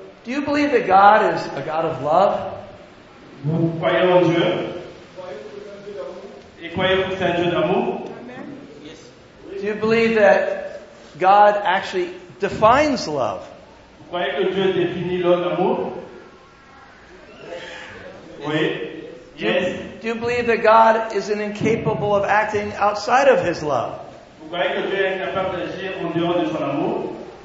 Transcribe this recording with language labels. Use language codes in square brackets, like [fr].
[en] Do you believe that God is a God of love? [fr] Vous croyez en Dieu? Et croyez-vous que c'est un Dieu d'amour? [en] Yes. Do you believe that God actually defines love? [fr] Vous croyez que Dieu définit l'amour? Oui. Yes. [en] Do you believe that God is incapable of acting outside of His love? [fr] Vous croyez que Dieu est incapable d'agir en dehors de son amour?